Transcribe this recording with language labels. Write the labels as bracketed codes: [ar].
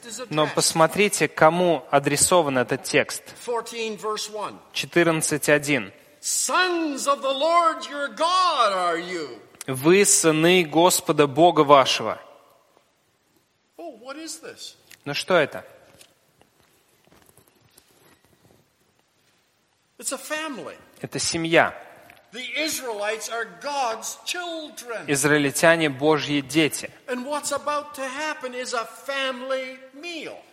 [ru] Но посмотрите, кому адресован этот текст. 14:1. [en] Sons of the Lord your God are you. [ru] Вы сыны Господа Бога вашего. [en] Oh, what is this? [ru] Ну что это? [en] It's a family. [ru] Это семья. [en] The Israelites are God's children. [ru] Израильтяне Божьи дети. [en] And what's about to happen is a family meal.